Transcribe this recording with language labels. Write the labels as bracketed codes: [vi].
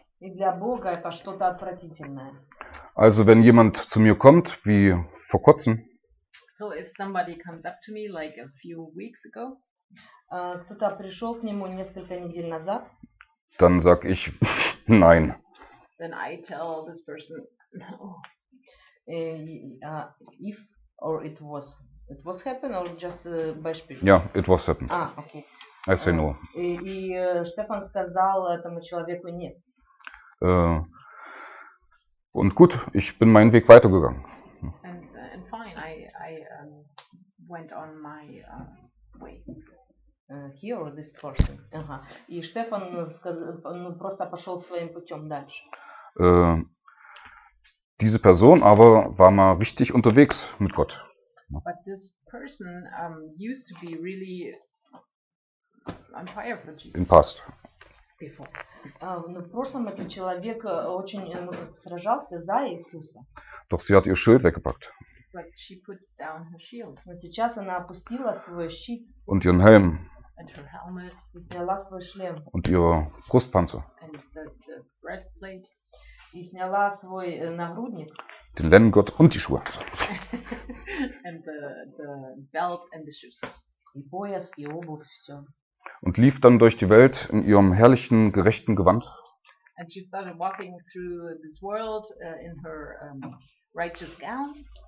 [ru] И для Бога это что-то отвратительное. [de] Also, wenn jemand zu mir kommt, wie vor kurzem. [en] So if somebody comes up to me like a few weeks ago, [ru] кто-то пришел к нему несколько недель назад, [de] dann sag ich nein. [en] Then I tell this person no. If or it was happen or just Beispiel? Yeah, it was happened. Ah, okay. I say no. [ru] И Стефан сказал этому человеку нет. [de] Und gut, ich bin meinen Weg weitergegangen. [en] And fine, I went on my way. He or this person? Ага. [ru] И Стефан просто пошел своим путем дальше. [de] Diese Person aber war mal richtig unterwegs mit Gott. [en] But this person used to be really on fire for Jesus. In past. Before. [ru] Но в прошлом этот человек очень сражался за Иисуса. [de] Doch sie hat ihr Schild weggepackt. [en] But she put down her shield. [ru] Но сейчас она опустила свой щит. [de] Und ihren Helm. [en] And her helmet. [ru] И сняла свой шлем. [de] Und ihre Brustpanzer. [en] And the breastplate. [ru] И сняла свой нагрудник. [de] Den Lendengurt und die Schuhe. [en] And the belt and the shoes. [ru] И пояс, и обувь, все. [de] Und lief dann durch die Welt in ihrem herrlichen, gerechten Gewand. [en] And she started walking through this world in her righteous gown.